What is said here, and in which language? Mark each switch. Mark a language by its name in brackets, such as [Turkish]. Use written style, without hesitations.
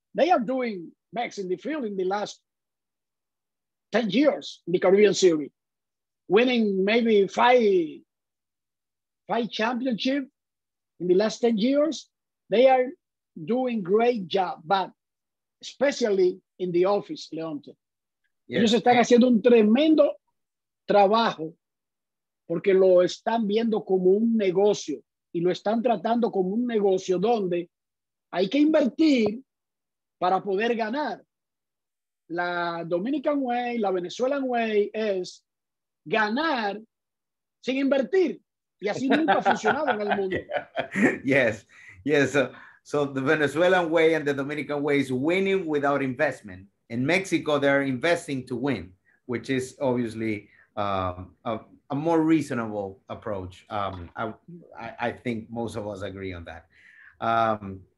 [English] They are doing max in the field in the last 10 years in the Caribbean Series, winning maybe five championships in the last 10 years. They are doing great job, but especially in the office, Leonte. Yes. [Spanish] Ellos están haciendo un tremendo trabajo porque lo están viendo como un negocio y lo están tratando como un negocio donde hay que invertir para poder ganar. La Dominican Way, la Venezuelan Way es ganar sin invertir. Y así nunca ha funcionado en el mundo. [English] Yes, yes. So the Venezuelan Way and the Dominican Way is winning without investment. In Mexico, they're investing to win, which is obviously a more reasonable approach. I think most of us agree on that.